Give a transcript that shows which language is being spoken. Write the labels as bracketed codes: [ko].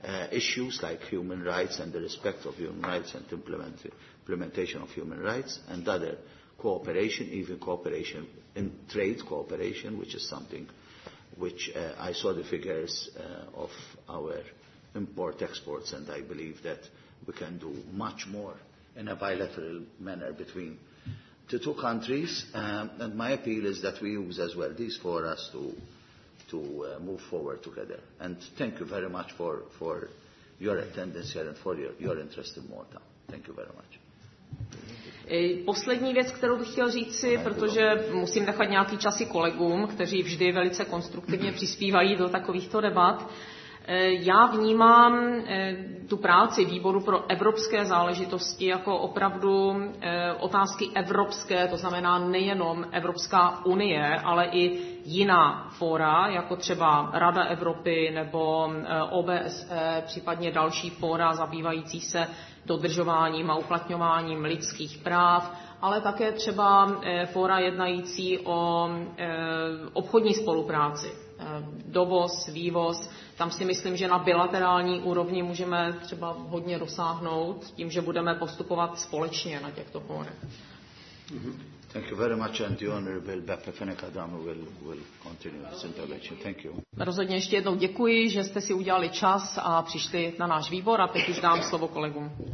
[en] issues like human rights and the respect of human rights and implementation of human rights and other cooperation, even cooperation in trade cooperation, which is something which I saw the figures of our import-exports, and I believe that we can do much more in a bilateral manner between the two countries. And my appeal is that we use as well these forums to move forward together. And thank you very much for your attendance here and for your interest in Malta. Thank you very much. [cs] Poslední věc, kterou bych chtěl říci, protože musím nechat nějaký čas i kolegům, kteří vždy velice konstruktivně přispívají do takovýchto debat. Já vnímám tu práci výboru pro evropské záležitosti jako opravdu otázky evropské, to znamená nejenom Evropská unie, ale i jiná fóra, jako třeba Rada Evropy nebo OBSE, případně další fóra zabývající se dodržováním a uplatňováním lidských práv, ale také třeba fóra jednající o obchodní spolupráci. Dovoz, vývoz, tam si myslím, že na bilaterální úrovni můžeme třeba hodně dosáhnout tím, že budeme postupovat společně na těchto fórech. [en] Thank you very much, and the honorable Beppe Fenech-Adamu will continue his intervention. Thank you. [cs] Rozhodně ještě jednou děkuji, že jste si udělali čas a přišli na náš výbor, a teď už dám slovo kolegům.